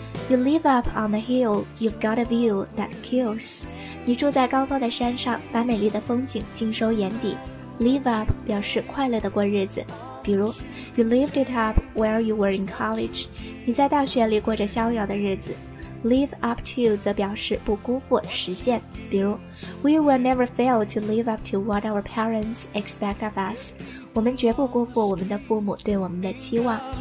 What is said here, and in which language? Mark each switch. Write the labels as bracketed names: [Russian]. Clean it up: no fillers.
[English] You live up on the hill, you've got a view that kills. [Chinese] 你住在高高的山上，把美丽的风景尽收眼底。 Live up 表示快乐的过日子。比如 [English] ,You lived it up while you were in college. [Chinese] 你在大学里过着逍遥的日子。 Live up to 则表示不辜负、实践。比如 [English] ,We will never fail to live up to what our parents expect of us. [Chinese] 我们绝不辜负我们的父母对我们的期望。